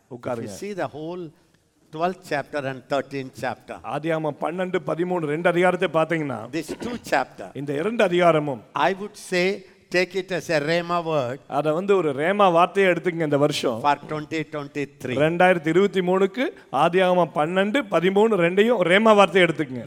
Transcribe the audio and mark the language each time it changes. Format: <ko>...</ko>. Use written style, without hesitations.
<en>If you see the whole 12th chapter and 13th chapter.</en> <ta>ஆதியாகமம் 12 13 ரெண்டு அதிகாரத்தை பாத்தீங்கன்னா</ta> <en>this two chapter</en> <ta>இந்த இரண்டு அதிகாரமும்</ta> <en>I would say take it as a rema word</en> <ta>அத வந்து ஒரு rema வார்த்தையை எடுத்துங்க இந்த வருஷம்</ta> <en>for 2023</en> <ta>2023 க்கு ஆதியாகமம் 12 13 ரெண்டையும் rema வார்த்தையை எடுத்துங்க</ta>